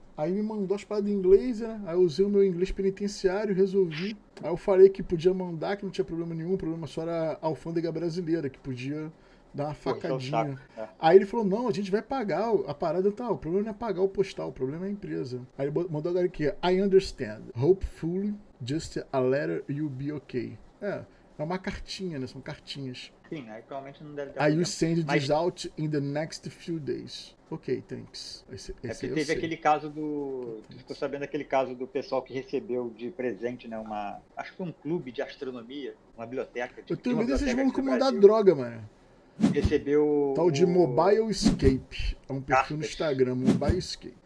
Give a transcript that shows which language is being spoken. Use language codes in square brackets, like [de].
[pt] Aí me mandou as paradas em inglês, né? Aí eu usei o meu inglês penitenciário, resolvi. Aí eu falei que podia mandar, que não tinha problema nenhum. O problema só era a alfândega brasileira, que podia dar uma facadinha. Aí ele falou, não, a gente vai pagar a parada e tal. O problema não é pagar o postal, o problema é a empresa. Aí ele mandou agora aqui, [en] I understand. Hopefully, just a letter, you'll be okay. [pt] É uma cartinha, né? São cartinhas. Sim, aí provavelmente não deve dar. Aí o [en] send this out in the next few days. Ok, thanks. [pt] Esse teve aquele caso do. Okay, ficou sabendo aquele caso do pessoal que recebeu de presente, né? Uma. Acho que um clube de astronomia, uma biblioteca. Eu tenho medo desses malucos mandar droga, mano. Recebeu. Tal de Mobile Escape. É um perfil no Instagram, Mobile Escape.